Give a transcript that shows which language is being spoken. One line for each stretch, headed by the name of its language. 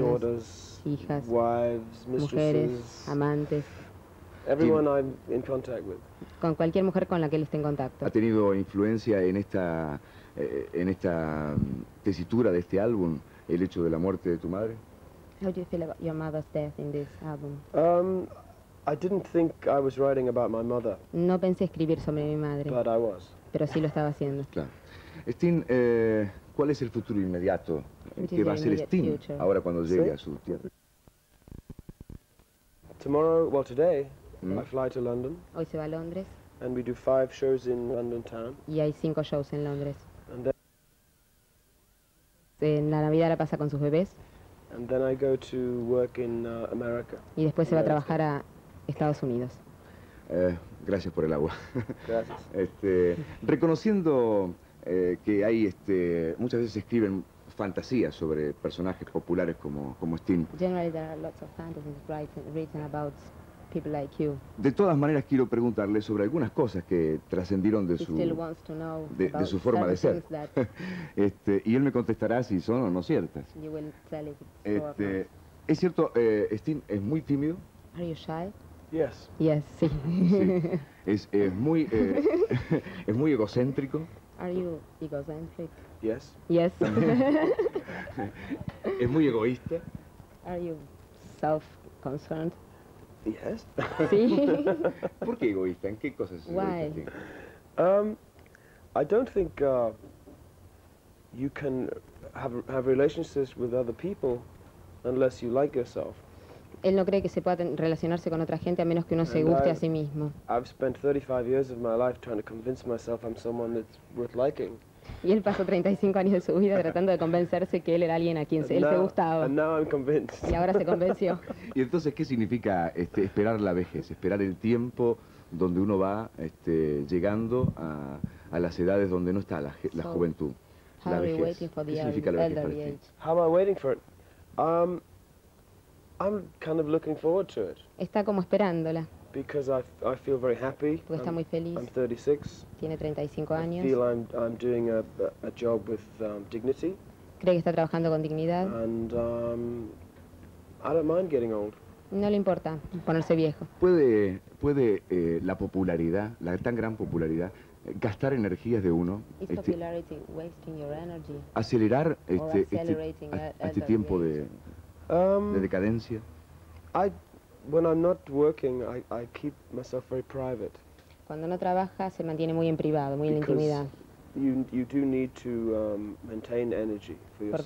English: daughters,
Spanish: hijas,
English: wives,
Spanish: mujeres,
English: mistresses,
Spanish: amantes.
English: Everyone I'm in contact with.
Spanish: Con cualquier mujer con la que él esté en contacto. ¿Ha tenido influencia en esta tesitura de este álbum el hecho de la muerte de tu madre?
English: How do you feel about your mother's death in this album? I didn't think I was writing about my mother.
Spanish: No pensé escribir sobre mi madre.
English: But I was.
Spanish: Pero sí lo estaba haciendo. Claro. Sting, ¿cuál es el futuro inmediato? ¿Qué va a ser Sting ahora cuando llegue a su tierra?
English: Today, I fly to London.
Spanish: Hoy se va a Londres.
English: And we do 5 shows in London town.
Spanish: Y hay 5 shows en Londres. En la Navidad la pasa con sus bebés.
English: And then I go to work in America.
Spanish: Y después se va a trabajar a Estados Unidos. Gracias por el agua. Gracias. Reconociendo que hay muchas veces escriben fantasías sobre personajes populares como Sting.
English: Generally there are lots of fantasies written about people like you.
Spanish: De todas maneras quiero preguntarle sobre algunas cosas que trascendieron de su forma de ser. y él me contestará si son o no ciertas.
English: You will tell if it's
Spanish: ¿Es cierto, Sting es muy tímido?
English: Are you shy? Yes. Yes,
Spanish: sí. Es muy egocéntrico.
English: Are you egocentric? Yes. Yes.
Spanish: Es muy egoísta.
English: Are you self-concerned? Yes.
Spanish: Sí. ¿Por qué egoísta? ¿En qué cosas es egoísta?
English: Why? I don't think you can have relationships with other people unless you like yourself.
Spanish: Él no cree que se pueda relacionarse con otra gente a menos que uno se guste a sí mismo.
English: I've spent 35 years of my life trying to convince myself I'm someone that's worth liking.
Spanish: Y él pasó 35 años de su vida tratando de convencerse que él era alguien a quien él se gustaba.
English: And now I'm convinced.
Spanish: Y ahora se convenció. ¿Y entonces qué significa esperar la vejez? Esperar el tiempo donde uno va llegando a las edades donde no está la juventud. La vejez. ¿Qué significa la vejez para ti?
English: How am I waiting for it? I'm kind of looking forward to it.
Spanish: Está como esperándola.
English: Because I feel very happy.
Spanish: Porque está muy feliz.
English: I'm 36.
Spanish: Tiene 35 años.
English: I feel I'm doing a job with dignity.
Spanish: Cree que está trabajando con dignidad.
English: And I don't mind getting old.
Spanish: No le importa ponerse viejo. ¿Puede la popularidad, la tan gran popularidad, gastar energías de uno?
English: Is popularity wasting your energy?
Spanish: ¿Acelerar este tiempo de decadencia?
English: When I'm not working, I keep myself very private.
Spanish: Cuando no trabaja, se mantiene muy en privado, muy
English: Because
Spanish: en intimidad.
English: You do need to maintain energy for yourself.